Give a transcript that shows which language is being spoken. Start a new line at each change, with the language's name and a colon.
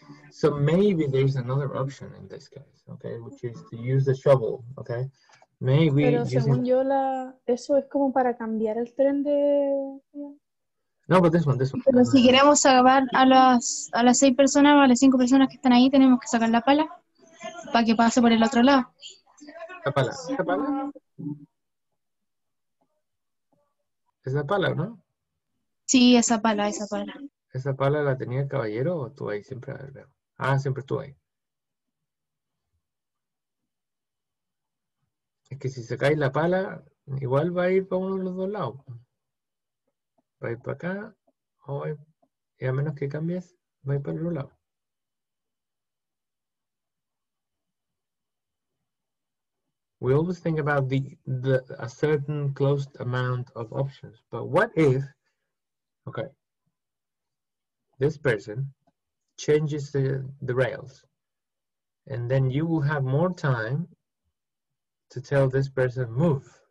English: So maybe there's another option in this case, okay, which is to use the shovel, okay? Maybe.
Spanish: Pero según yo, eso es como para cambiar el tren de.
English: No, but this one.
Spanish: Pero si queremos salvar a las seis personas o a las cinco personas que están ahí, tenemos que sacar la pala para que pase por el otro lado. La pala. La pala. Esa pala, ¿no? Sí, esa pala. ¿Esa pala la tenía el caballero o tú ahí siempre? Ah, siempre tú ahí. Es que si se cae la pala, igual va a ir para uno de los dos lados. Va a ir para acá, y a menos que cambies, va a ir para el otro lado.
English: We always think about a certain closed amount of options. But what if, okay, this person changes the rails and then you will have more time to tell this person move.